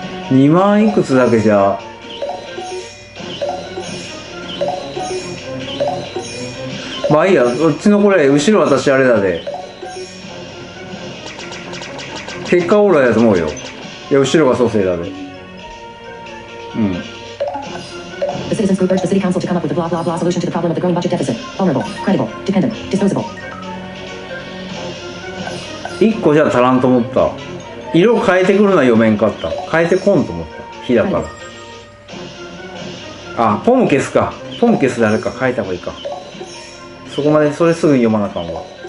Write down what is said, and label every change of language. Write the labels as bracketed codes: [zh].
[ja] 2万いくつだけじゃ。まあいいや、うちのこれ後ろ私あれだで、結果オーライだと思うよ。いや後ろが蘇生だで。うん。 [en] The citizens group urged the city council to come up with a blah blah blah solution to the problem of the growing budget deficit. Vulnerable, credible, dependent, disposable. [ja] 1個じゃ足らんと思った。色を変えてくるのは読めんかった。変えてこんと思った。火だから。あ、ポム消すか。ポム消す。誰か変えた方がいいか。そこまでそれすぐに読まなかんわ。